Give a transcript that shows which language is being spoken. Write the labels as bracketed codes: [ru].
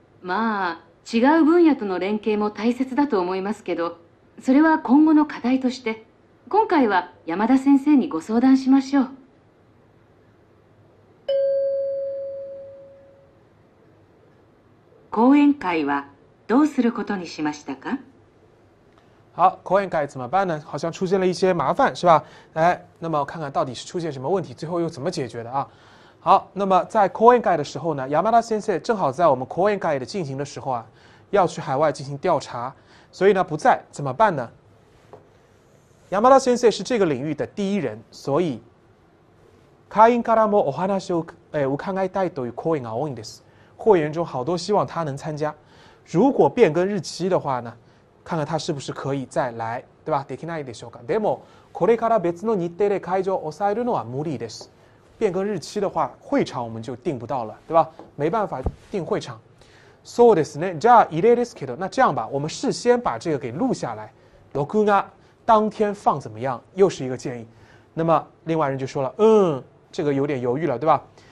[ja] まあ違う分野との連携も大切だと思いますけど、それは今後の課題として、今回は山田先生にご相談しましょう。講演会はどうすることにしましたか？ [zh] 好，講演会怎么办呢？好像出现了一些麻烦，是吧？哎，那么看看到底是出现什么问题，最后又怎么解决的啊？好，那么在講演会的时候呢，山田先生正好在我们講演会的进行的时候啊，要去海外进行调查。所以呢，不在怎么办呢？ [ja] 山田先生 [zh] 是这个领域的第一人，所以 [ja] 会員からもお話を伺いたいという声が多いんです。 [zh] 会员中好多希望他能参加。如果变更日期的话呢，看看他是不是可以再来，对吧？ [ja] できないでしょうか。でもこれから別の日程で会場を抑えるのは無理です。 [zh] 变更日期的话，会场我们就定不到了，对吧？没办法定会场。 [ja] そうですね。じゃあ入れですけど、 [zh] 那这样吧，我们事先把这个给录下来，録画，当天放怎么样？又是一个建议。那么另外人就说了，嗯，这个有点犹豫了，对吧？